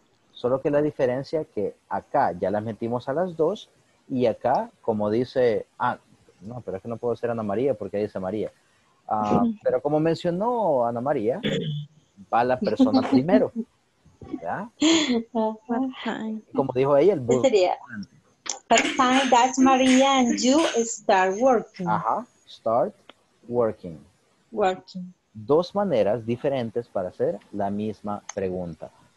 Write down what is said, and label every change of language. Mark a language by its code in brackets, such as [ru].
[es] Solo que la diferencia es que acá ya las metimos a las dos y acá, como dice... pero es que no puedo ser Ana María porque dice María. Pero como mencionó Ana María, va la persona primero. ¿Ya? Como dijo ella, el [en] book. First time that María and you start working. Ajá, start working. [es] Dos maneras diferentes para hacer la misma pregunta.